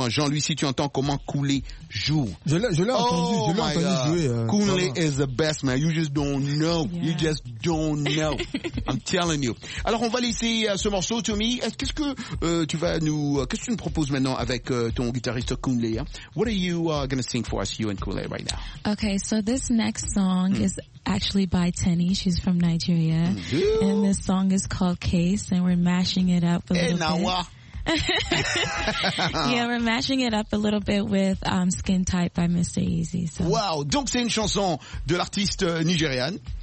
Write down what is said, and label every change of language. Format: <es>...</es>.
<fr>Hein. Jean-Louis, si tu entends comment Kunle joue. Je l'ai entendu jouer.</fr> <en>Kunle is the best, man. You just don't know. Yeah. You just don't know. I'm telling you.</en> <fr>Alors, on va laisser ce morceau, Tommy. Qu'est-ce que tu nous proposes maintenant avec ton guitariste Kunle? Hein?</fr> <en>What are you going to sing for us, you and Kunle, right now? Okay, so this next song is actually by Tenny. She's from Nigeria. Mm-hmm. And this song is called Case, and we're mashing it up a little bit. Yeah, we're mashing it up a little bit with Skin Tight by Mr. Easy. So.</en> <fr>Wow, donc c'est une chanson de l'artiste nigériane.</fr>